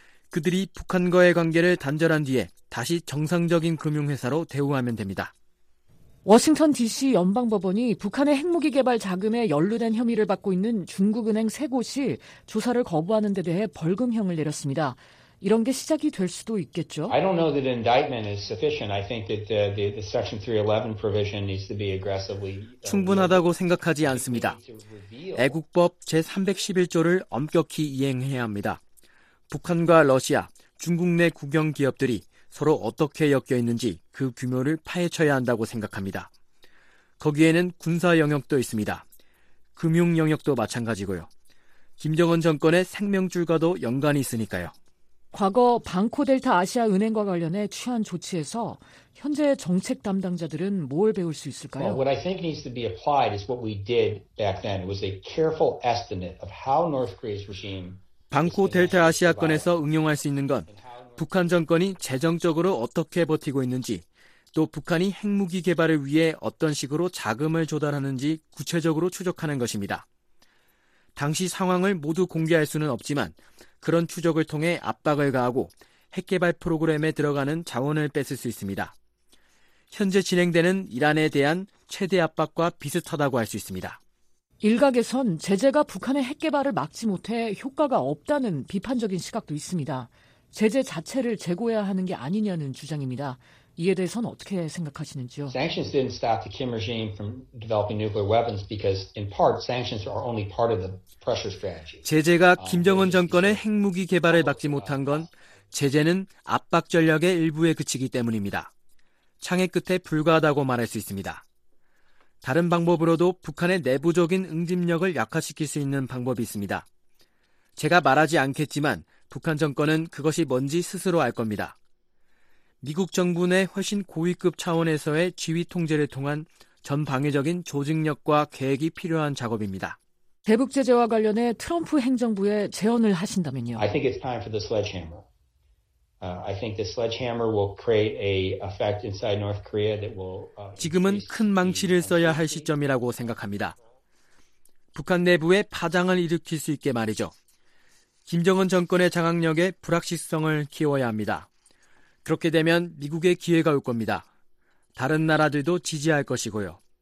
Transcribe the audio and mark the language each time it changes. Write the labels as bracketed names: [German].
[Korean] 그들이 북한과의 관계를 단절한 뒤에 다시 정상적인 금융회사로 대우하면 됩니다. 워싱턴 DC 연방법원이 북한의 핵무기 개발 자금에 연루된 혐의를 받고 있는 중국은행 세 곳이 조사를 거부하는 데 대해 벌금형을 내렸습니다. 이런 게 시작이 될 수도 있겠죠. [English] I don't know that indictment is sufficient. I think that the Section 311 provision needs to be aggressively [Korean] 충분하다고 생각하지 않습니다. 애국법 제311조를 엄격히 이행해야 합니다. 북한과 러시아, 중국 내 국영 기업들이 서로 어떻게 엮여 있는지 그 규모를 파헤쳐야 한다고 생각합니다. 거기에는 군사 영역도 있습니다. 금융 영역도 마찬가지고요. 김정은 정권의 생명줄과도 연관이 있으니까요. 과거 방코델타 아시아 은행과 관련해 취한 조치에서 현재 정책 담당자들은 뭘 배울 수 있을까요? [English] What I think needs to be applied is what we did back then. It was a careful estimate of how North Korea's regime [Korean] 방코델타 아시아권에서 응용할 수 있는 건 북한 정권이 재정적으로 어떻게 버티고 있는지, 또 북한이 핵무기 개발을 위해 어떤 식으로 자금을 조달하는지 구체적으로 추적하는 것입니다. 당시 상황을 모두 공개할 수는 없지만 그런 추적을 통해 압박을 가하고 핵개발 프로그램에 들어가는 자원을 뺏을 수 있습니다. 현재 진행되는 이란에 대한 최대 압박과 비슷하다고 할 수 있습니다. 일각에선 제재가 북한의 핵개발을 막지 못해 효과가 없다는 비판적인 시각도 있습니다. 제재 자체를 재고해야 하는 게 아니냐는 주장입니다. 이에 대해서는 어떻게 생각하시는지요? Sanctions didn't stop the Kim regime from developing nuclear weapons because in part sanctions are only part of the pressure strategy. 제재가 김정은 정권의 핵무기 개발을 막지 못한 건 제재는 압박 전략의 일부에 그치기 때문입니다. 창의 끝에 불과하다고 말할 수 있습니다. 다른 방법으로도 북한의 내부적인 응집력을 약화시킬 수 있는 방법이 있습니다. 제가 말하지 않겠지만 북한 정권은 그것이 뭔지 스스로 알 겁니다. 미국 정부 내 훨씬 고위급 차원에서의 지휘 통제를 통한 전방위적인 조직력과 계획이 필요한 작업입니다. 대북 제재와 관련해 트럼프 행정부에 제언을 하신다면요. [English] I think it's time for the sledgehammer. I think the sledgehammer will create a effect inside North Korea that will [Korean] 지금은 큰 망치를 써야 할 시점이라고 생각합니다. 북한 내부에 파장을 일으킬 수 있게 말이죠. 김정은 정권의 장악력에 불확실성을 키워야 합니다. 그렇게 되면 미국의 기회가 올 겁니다. 다른 나라들도 지지할 것이고요.